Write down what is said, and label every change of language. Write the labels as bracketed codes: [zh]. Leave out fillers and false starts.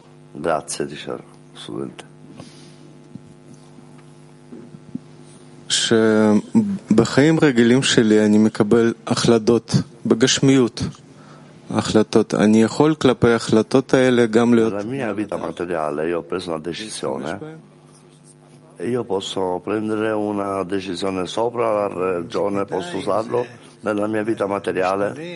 [it] Grazie, dice il studente. [he] בחיים רגילים שלי אני מקבל החלטות בגשמיות. החלטות. אני יכול כלפי החלטות האלה גם להיות... [it] Nella mia vita materiale io ho preso una decisione e io posso prendere una decisione sopra la ragione, posso usarlo nella mia vita materiale.